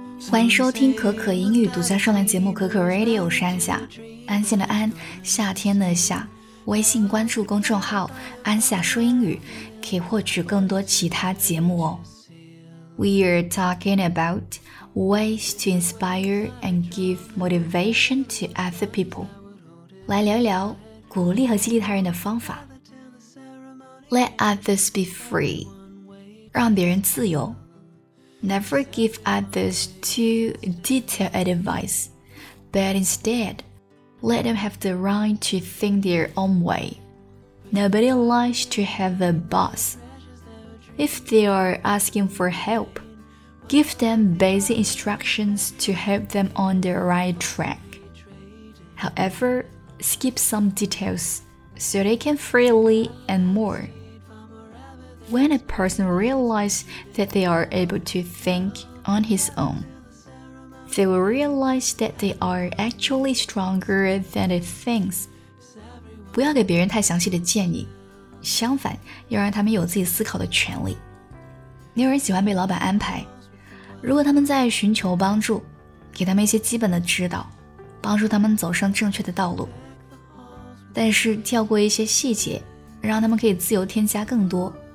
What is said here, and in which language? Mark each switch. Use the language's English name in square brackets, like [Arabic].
[Chinese] 欢迎收听可可英语独家商量节目可可 Radio， 我是安夏，安心的安，夏天的夏。微信关注公众号安夏说英语，可以获取更多其他节目哦。 [English] We are talking about ways to inspire and give motivation to other people. [Chinese] 来聊一聊鼓励和激励他人的方法。 [English] Let others be free. [Chinese] 让别人自由。 [English] Never give others too detailed advice, but instead, let them have the right to think their own way. Nobody likes to have a boss. If they are asking for help, give them basic instructions to help them on the right track. However, skip some details so they can freely and more. When a person realizes that they are able to think on his own, they will realize that they are actually stronger than they think. [Chinese] 不要给别人太详细的建议。相反，要让他们有自己思考的权利。没有人喜欢被老板安排。如果他们在寻求帮助，给他们一些基本的指导，帮助他们走上正确的道路。但是跳过一些细节，让他们可以自由添加更多。